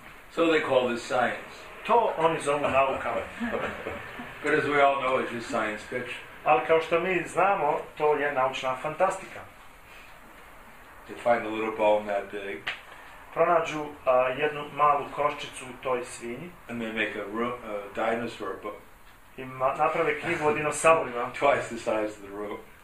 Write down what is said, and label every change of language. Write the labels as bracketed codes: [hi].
[en] So they call this science. [bs] To oni zovu nauka. [en] But as we all know, it's just science fiction. [bs] Ali kao što mi znamo, to je naučna fantastika. [en] They find a little bone that big. [bs] Pronađu jednu malu koščicu u toj svinji. [en] And they make a dinosaur book. [bs] I naprave knjigu o dinosaurima. [en] Twice the size of the room.